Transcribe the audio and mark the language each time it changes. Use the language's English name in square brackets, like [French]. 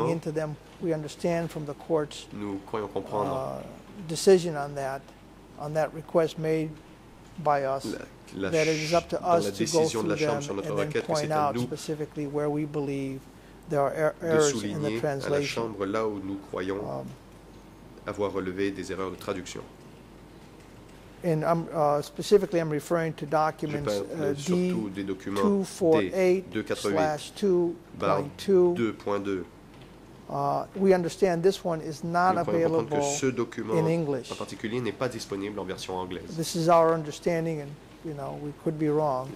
[English] Looking into them. We understand from the court's [French] nous croyons comprendre [English] decision on that request made by us, that it is up to us to go through them and then [French] requête, [English] point out specifically where we believe there are errors in the translation. [French] De souligner à la chambre là où nous croyons avoir relevé des erreurs de traduction. [English] And I'm, specifically, I'm referring to documents D248/2.2. We understand this one is not available in English. [French] En particulier n'est pas disponible en version anglaise. [English] This is our understanding, and you know we could be wrong.